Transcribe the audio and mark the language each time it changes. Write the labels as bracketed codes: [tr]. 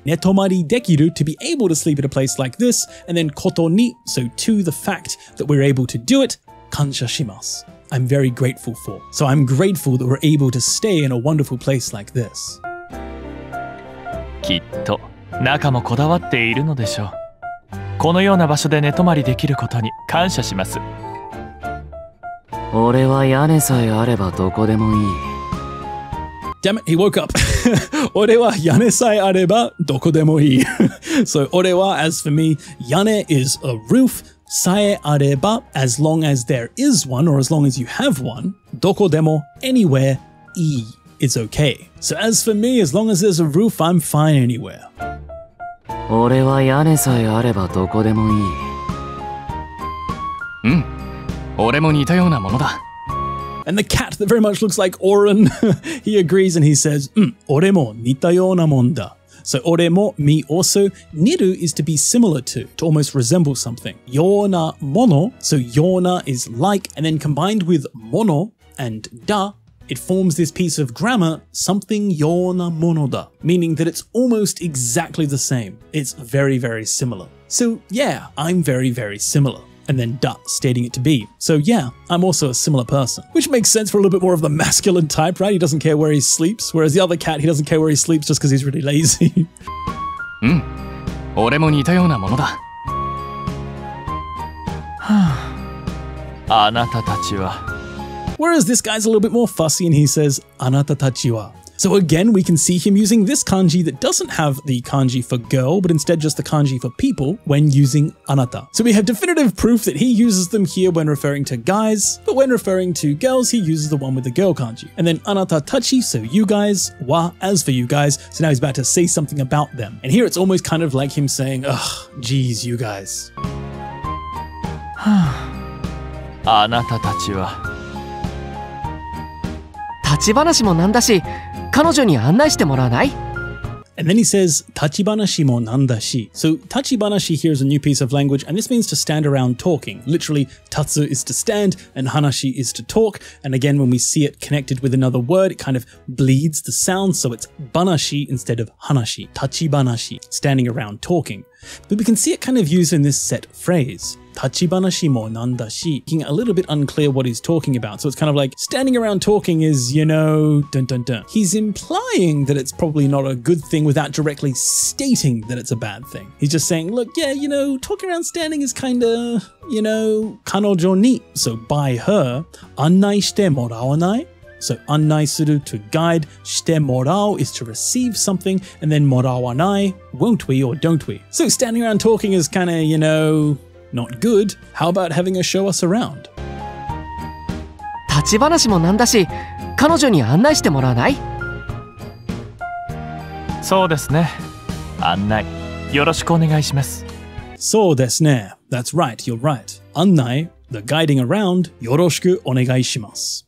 [en] Netomari dekiru, to be able to sleep at a place like this, and then koto ni, so to the fact that we're able to do it, kansha shimasu. I'm very grateful for. So I'm grateful that we're able to stay in a wonderful place like this. [ja] Kitto, naka mo kodawatte iru no desho. このような場所で寝泊まりできることに感謝します。俺は屋根さえあればどこでもいい。 [en] Damn it, he woke up. [ja] 俺は屋根さえあればどこでもいい。 [en] So, 俺は as for me, 屋根 is a roof, さえあれば as long as there is one or as long as you have one, どこでも anywhere, いい is okay. So as for me, as long as there's a roof, I'm fine anywhere. [ja] 俺は屋根さえあればどこでもいい。うん、俺も似たようなものだ。 [en] And the cat that very much looks like Oren, he agrees and he says, [ja] うん、俺も似たようなもんだ。 [en] So, 俺も、me also, niru is to be similar to almost resemble something. ようなもの、so ような is like, and then combined with mono and da,It forms this piece of grammar, something ようなものだ, meaning that it's almost exactly the same. It's very, very similar. So yeah, I'm very, very similar. And then da, stating it to be. So yeah, I'm also a similar person. Which makes sense for a little bit more of the masculine type, right? He doesn't care where he sleeps, whereas the other cat, he doesn't care where he sleeps just because he's really lazy. [ja] うん、俺も似たようなものだ。あなたたちは。 [en] Whereas this guy's a little bit more fussy and he says, [ja] anata tachi wa. [en] So again, we can see him using this kanji that doesn't have the kanji for girl, but instead just the kanji for people when using anata. So we have definitive proof that he uses them here when referring to guys, but when referring to girls, he uses the one with the girl kanji. And then anata tachi, so you guys, wa, as for you guys. So now he's about to say something about them. And here it's almost kind of like him saying, ugh, geez, you guys. [ja] anata tachi wa. 立ち話もなんだし、彼女に案内してもらわない? [en] And then he says, [ja] 立ち話もなんだし。 [en] So, 立ち話 here is a new piece of language, and this means to stand around talking. Literally, 立つ is to stand, and 話 is to talk. And again, when we see it connected with another word, it kind of bleeds the sound, so it's 話 instead of 話. 立ち話, standing around talking. But we can see it kind of used in this set phrase. 立ち話もなんだし being a little bit unclear what he's talking about. So it's kind of like, standing around talking is, you know, dun dun dun. He's implying that it's probably not a good thing without directly stating that it's a bad thing. He's just saying, look, yeah, you know, talking around standing is kind of, you know, 彼女に, so by her, [ja] 案内してもらわない? [en] So 案内する, to guide, してもらう is to receive something, and then もらわない, won't we or don't we? So standing around talking is kind of, you know... Not good. How about having her show us around? [ja] 立ち話もなんだし、彼女に案内してもらわない? そうですね。案内、よろしくお願いします。そうですね。 [en] That's right, you're right. 案内、the guiding around, [ja] yoroshiku onegai shimasu.